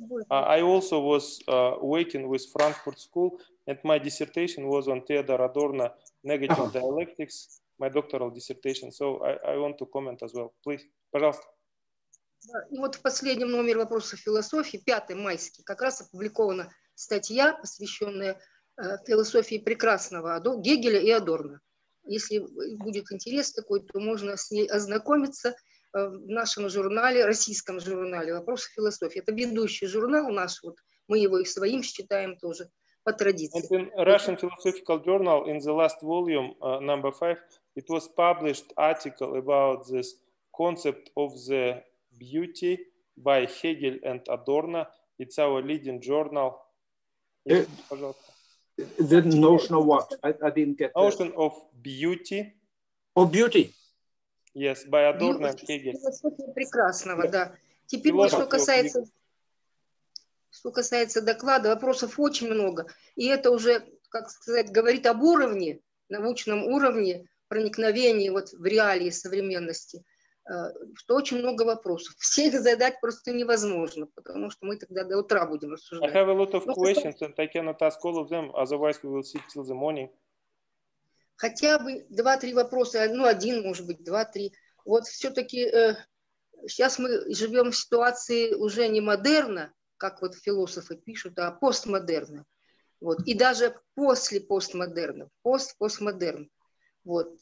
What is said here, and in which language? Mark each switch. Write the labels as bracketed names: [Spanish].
[English] I also was working with Frankfurt School, and my dissertation was on Theodor Adorno, Negative Dialectics, my doctoral dissertation. So I want to comment as well. Please, [Russian] пожалуйста. Да, и вот в последнем номере вопросов философии, 5 майский, как раз опубликована статья, посвященная философии прекрасного Гегеля и Адорно. Если будет интерес такой, то можно с ней ознакомиться в нашем журнале, российском журнале «Вопросы философии». Это ведущий журнал наш, вот мы его и своим считаем тоже по традиции. [English] And in Russian Philosophical Journal, in the last volume, number 5, it was published article about this concept of the beauty by Hegel and Adorno. It's our leading journal. The notion of what? I didn't get notion that. Of beauty. Of beauty. Yes, by Adorno and Hegel. [Russian] Философия прекрасного, да. Теперь, что касается доклада, вопросов очень много. И это уже, как сказать, говорит об уровне, научном уровне проникновения вот в реалии современности. Что очень много вопросов. Всех задать просто невозможно, потому что мы тогда до утра будем рассуждать. [English] I have a lot of questions, and I cannot ask all of them, otherwise we will sit till the morning. [Russian] Хотя бы 2-3 вопроса, ну, один, может быть, 2-3. Вот все-таки сейчас мы живем в ситуации уже не модерна, как вот философы пишут, а постмодерна. Вот. И даже после постмодерна, постмодерн. Вот.